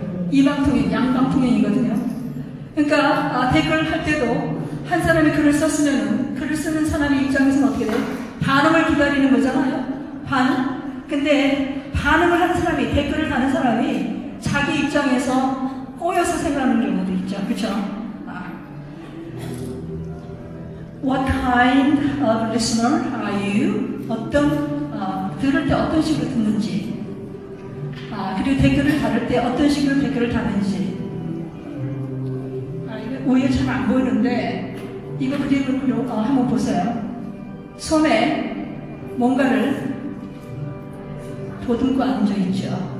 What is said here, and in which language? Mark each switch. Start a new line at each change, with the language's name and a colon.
Korean: 이방통행, 양방통행이거든요. 그러니까 댓글을 할 때도 한 사람이 글을 썼으면 글을 쓰는 사람의 입장에서는 어떻게 돼요? 반응을 기다리는 거잖아요. 반응? 근데 반응을 한 사람이, 댓글을 하는 사람이 자기 입장에서 꼬여서 생각하는 경우도 있죠. 그쵸?
English: What kind of listener are you?
Korean: 어떤, 들을 때 어떤 식으로 듣는지. 그리고 댓글을 달을 때 어떤 식으로 댓글을 다는지. 오히려 잘 안 보이는데, 이거 그림으로 한번 보세요. 손에 뭔가를 보듬고 앉아있죠.